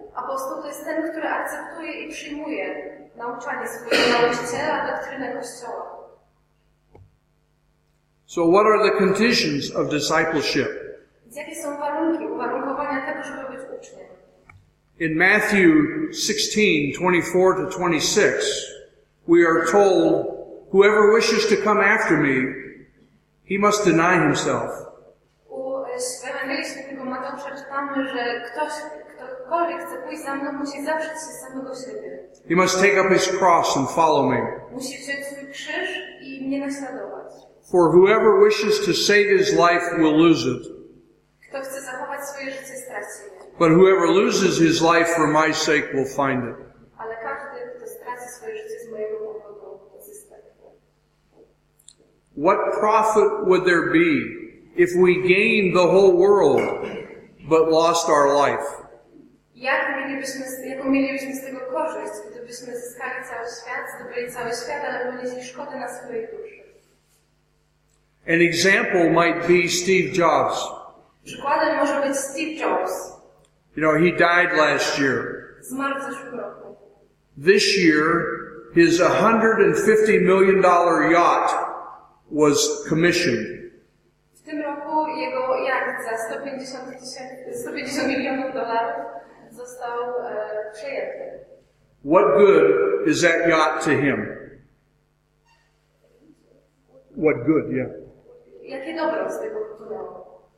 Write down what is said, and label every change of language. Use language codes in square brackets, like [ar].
[pl] apostoł to jest ten, który akceptuje i przyjmuje nauczanie swojego nauczyciela, doktrynę Kościoła. [en] So what are the conditions of discipleship? [pl] Jakie są warunki uwarunkowania tego, żeby być uczniem? [en] In Matthew 16:24-26, we are told, whoever wishes to come after me, he must deny himself. [pl] W Ewangelii Świętego Mateusza czytamy, że ktokolwiek chce pójść za mną, musi zawrzeć się samego siebie. [en] He must take up his cross and follow me. [pl] Musi wziąć swój krzyż i mnie naśladować. [en] For whoever wishes to save his life will lose it. [pl] Kto chce zachować swoje życie, straci je. [en] But whoever loses his life for my sake will find it. [pl] Ale każdy, kto straci swoje życie z mojego powodu, zyska je. [en] What profit would there be if we gained the whole world but lost our life? [pl] Jaką mielibyśmy z tego korzyść, gdybyśmy zyskali cały świat, zdobyli cały świat, ale ponieśli szkodę na swojej duszy? [en] An example might be Steve Jobs. [pl] Przykładem może być Steve Jobs. [en] You know, he died last year. [pl] Zmarł w zeszłym roku. [en] This year, his $150 million yacht was commissioned. [pl] W tym roku jego jacht za 150 milionów dolarów został przejęty. [en] What good is that yacht to him? What good, yeah. [pl] Jakie dobro z tego wypłynęło?